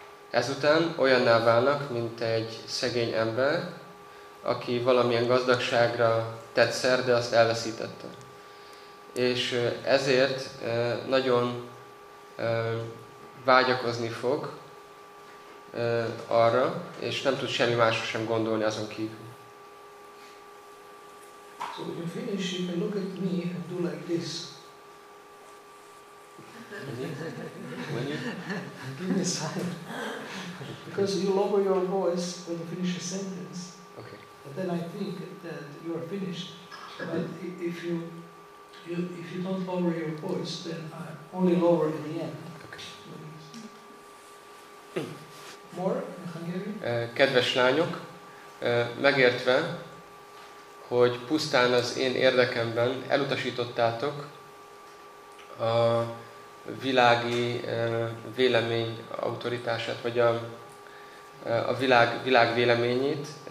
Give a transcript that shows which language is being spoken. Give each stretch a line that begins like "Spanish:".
Hungarian: Ezután olyanná válnak, mint egy szegény ember, aki valamilyen gazdagságra tett szer, de azt elveszítette. És ezért nagyon vágyakozni fog arra, és nem tud semmi másra sem gondolni azon kívül.
English: So when you finish, you can look at me and do like this. Give me a sign. Because you lower your voice when you finish a sentence. Okay. But then I think that you are finished. But if you don't lower your voice, then I only lower in the end. Okay. More in Hungarian?
Hungarian: Kedves lányok, megértve, hogy pusztán az én érdekemben elutasítottátok a világi vélemény autoritását, vagy a világ véleményét,